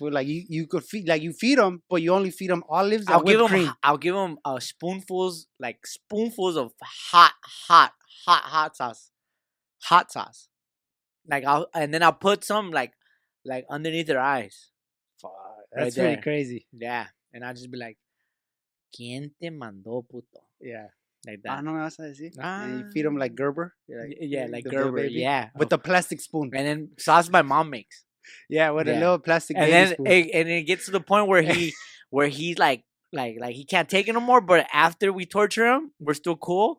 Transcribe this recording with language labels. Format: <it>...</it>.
<en>Where, like, you feed them, but you only feed them olives and whipped cream. I'll give them spoonfuls of hot sauce. Like, I'll put some like underneath their eyes. That's right, pretty crazy. Yeah. And I'll just be like,</en> <es>¿quién te mandó, puto?</es> <en>Yeah. Like that. I don't know what else I see. And you feed them like Gerber. Like Gerber. Baby, yeah. With a plastic spoon. And then sauce my mom makes. Yeah, with a little plastic and baby spoon. And it gets to the point where he's like he can't take it no more. But after we torture him, we're still cool.</en>